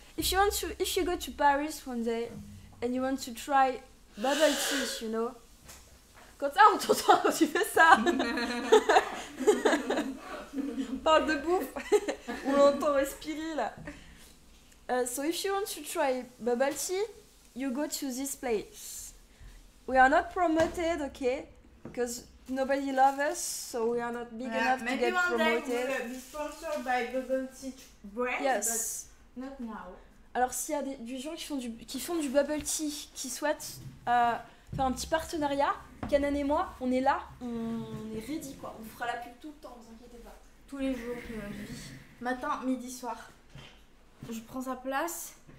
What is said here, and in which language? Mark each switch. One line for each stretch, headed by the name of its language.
English: If you want to, if you go to Paris one day and you want to try bubble tea, you know.
French: Quand ah on t'entend quand tu fais ça. On parle de bouffe. On l'entend respirer là.
English: So if you want to try bubble tea, you go to this place. We are not promoted, okay? Because nobody loves us, so we are not big enough to get promoted. Maybe one day we'll be sponsored by bubble tea. Bread, yes. But not now.
French: Alors s'il y a des gens qui font du bubble tea, qui souhaitent faire un petit partenariat, Canan et moi, on est là, on est ready quoi. On fera la pub tout le temps, vous inquiétez pas. Tous les jours de notre vie. Matin, midi, soir. Je prends sa place.